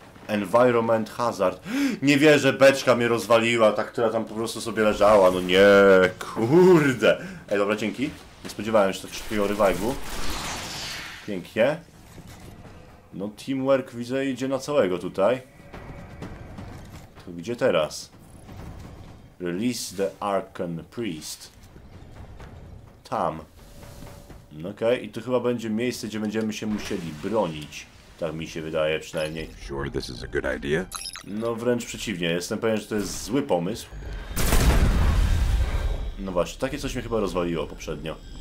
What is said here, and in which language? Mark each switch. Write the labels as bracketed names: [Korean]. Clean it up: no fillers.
[Polish] Environment hazard. Nie wierzę, beczka mnie rozwaliła, ta, która tam po prostu sobie leżała. No nie, kurde. Ej, dobra, dzięki. Nie spodziewałem się tak szybkiego revive'u. Pięknie. No teamwork widzę idzie na całego tutaj. To gdzie teraz? [English] Release the Arcan Priest. [Polish] Tam. Okej, okay. I to chyba będzie miejsce, gdzie będziemy się musieli bronić. Tak mi się wydaje przynajmniej. [English] Sure, this is a good idea? [Polish] No wręcz przeciwnie, jestem pewien, że to jest zły pomysł. No właśnie, takie coś mnie chyba rozwaliło poprzednio.